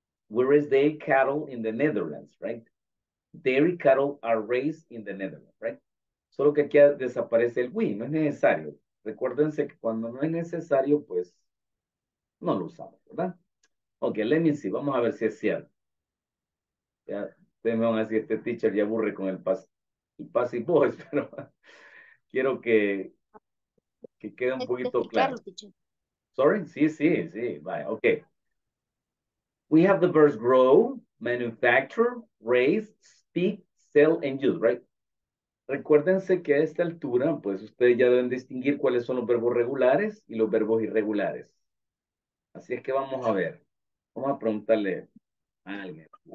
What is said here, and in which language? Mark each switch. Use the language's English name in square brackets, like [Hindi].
[English] We raise dairy cattle in the Netherlands, right? Dairy cattle are raised in the Netherlands, right? [Spanish] Solo que aquí desaparece el we, no es necesario. Recuérdense que cuando no es necesario, pues no lo usamos, ¿verdad? [English] Okay, let me see. [Spanish] Vamos a ver si es cierto. Ya, ustedes me van a decir, este teacher ya aburre con el passive voice, pero quiero que quede un poquito claro. [English] Sorry? [Spanish] Sí, vaya, okay. [English] We have the verbs grow, manufacture, raise, speak, sell, and use, right? [Spanish] Recuérdense que a esta altura, pues ustedes ya deben distinguir cuáles son los verbos regulares y los verbos irregulares. Así es que vamos a ver. Vamos a preguntarle a alguien.